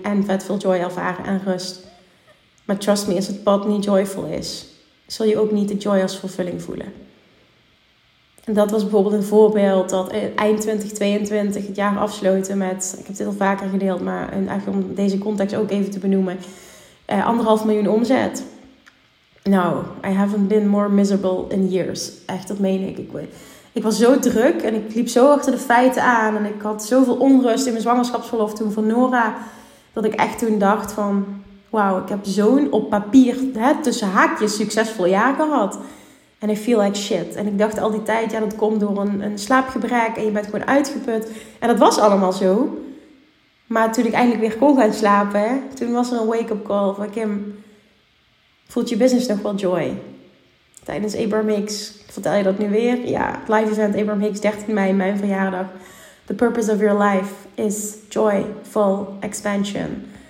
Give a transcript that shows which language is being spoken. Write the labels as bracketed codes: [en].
[nl] En vet veel joy ervaren en rust. Maar [en] trust me, [nl] als het pad niet joyful is. Zul je ook niet de joy als vervulling voelen. En dat was bijvoorbeeld een voorbeeld. Dat eind 2022 het jaar afsloten met. Ik heb dit al vaker gedeeld. Maar om deze context ook even te benoemen. 1,5 miljoen omzet. [en] Nou, I haven't been more miserable in years. [nl] Echt, dat meen ik. Ik was zo druk en ik liep zo achter de feiten aan. En ik had zoveel onrust in mijn zwangerschapsverlof toen van Nora. Dat ik echt toen dacht van, wauw, ik heb zo'n op papier, hè, tussen haakjes, succesvol jaar gehad. En [en] I feel like shit. [nl] En ik dacht al die tijd, ja, dat komt door een slaapgebrek en je bent gewoon uitgeput. En dat was allemaal zo. Maar toen ik eindelijk weer kon gaan slapen, hè, toen was er een wake-up call van Kim. Voelt je business nog wel joy? Tijdens Abraham Hicks, vertel je dat nu weer? Ja, live event Abraham Hicks, 13 mei, mijn verjaardag. [en] The purpose of your life is joyful expansion.